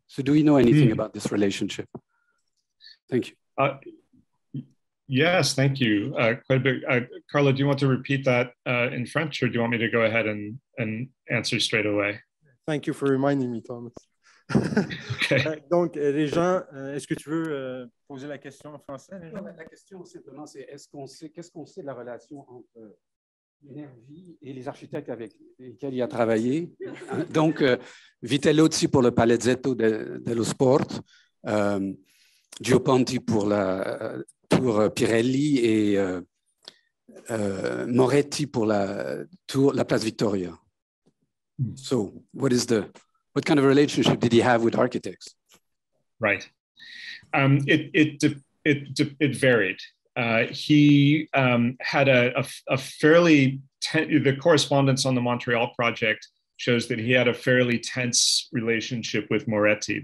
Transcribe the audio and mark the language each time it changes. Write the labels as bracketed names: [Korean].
[English] So do we know anything about this relationship? Thank you. Yes, thank you. Quite a bit. Carlo, do you want to repeat that in French or do you want me to go ahead and answer straight away? Thank you for reminding me, Thomas. Okay. [French] Donc, Réjean, est-ce que tu veux poser la question en français? Non, la question simplement, c'est qu'est-ce qu'on sait de la relation entre Nervi et les architectes avec lesquels il a travaillé? Donc, Vitellozzi pour le Palazzetto dello Sport, Gioponti pour la. Pour Pirelli et Moretti pour la tour la Place Victoria. [English] So, what kind of relationship did he have with architects? Right, it varied. He had a fairly the correspondence on the Montreal project shows that he had a fairly tense relationship with Moretti.